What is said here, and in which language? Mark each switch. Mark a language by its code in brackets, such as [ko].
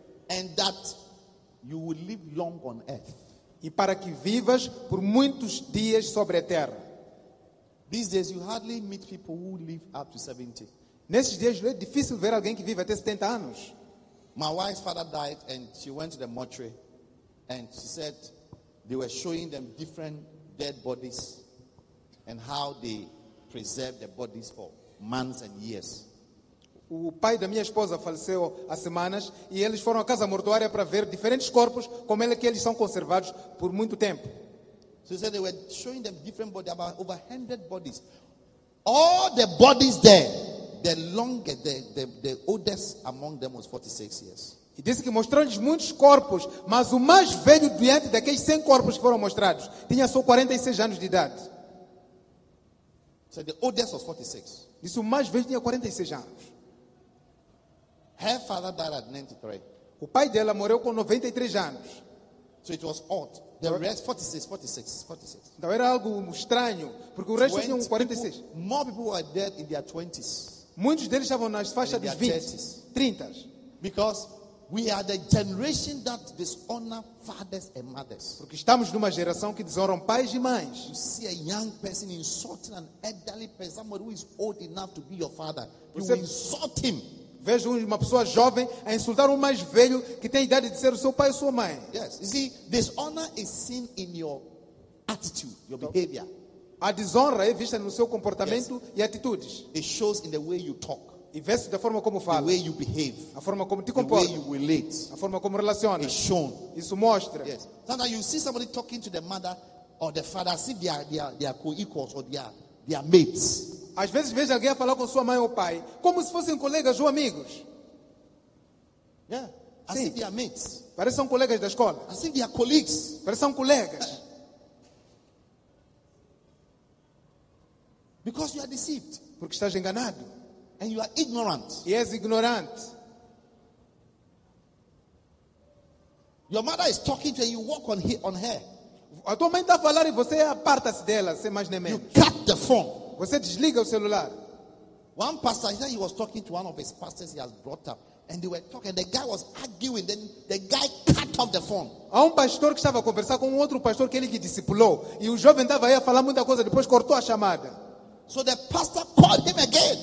[en] And that you will live long on earth. [pt] E para que vivas por muitos dias sobre a terra. [en] These days you hardly meet people who live up to 70. [pt] Nesses dias é difícil ver alguém que vive até 70 anos. [en] My wife's father died and she went to the mortuary and she said they were showing them different dead bodies and how they preserve the bodies for months and years. [pt] O pai da minha esposa faleceu há semanas e eles foram à casa mortuária para ver diferentes corpos, como é que eles são conservados por muito tempo. [en] So they said they were showing them different bodies, about over 100 bodies. All the bodies there, the longest, the oldest among them was 46 years. [pt] E disse que mostraram-lhes muitos corpos, mas o mais velho diante daqueles 100 corpos que foram mostrados tinha só 46 anos de idade. [en] So the oldest was 46. [pt] Disse o mais velho tinha 46 anos. [en] Her father died at 93. [pt] O pai dela morreu com 93 anos. [en] So it was odd. The rest 46. [pt] Então era algo estranho, porque o resto tinha 46. [en] People, more people were dead in their 20s. [pt] Muitos deles estavam nas faixas dos 20, 30. [en] Because we are the generation that dishonor fathers and mothers. [pt] Porque estamos numa geração que desonram pais e mães. [en] You see a young person insulting an elderly person, someone who is old enough to be your father. You insult him. [pt] Vejo uma pessoa jovem a insultar um mais velho que tem a idade de ser o seu pai ou sua mãe. [en] Yes, you see, dishonor is seen in your attitude, your behavior. [pt] A desonra é vista no seu comportamento e atitudes. [en] It shows in the way you talk. [pt] E vê-se da forma como fala. [en] The way you behave. [pt] A forma como te comportas. [en] The way you relate. [pt] A forma como relaciona. [en] It's shown. [pt] Isso mostra. [en] Yes. Sometimes you see somebody talking to the mother or the father, see they are co-equals or they are mates. [pt] Às vezes vejo alguém a falar com sua mãe ou pai como se fossem colegas ou amigos. [en] Yeah, assim they are mates. [pt] Parece são colegas da escola. [en] Assim they are colleagues. [pt] Parece são colegas. [en] Because you are deceived. [pt] Porque estás enganado. [en] And you are ignorant. [pt] E és ignorante. [en] Your mother is talking to you, you walk on her. [pt] A tua mãe está a falar e você aparta-se dela, sem mais nem menos. [en] You cut the phone. [pt] Você desliga o celular. [en] One pastor, he was talking to one of his pastors he has brought up, and they were talking. The guy was arguing. Then the guy cut off the phone. [pt] Há um pastor que estava a conversar com um outro pastor que ele que discipulou, e o jovem estava aí a falar muita coisa. Depois cortou a chamada. [en] So the pastor called him again.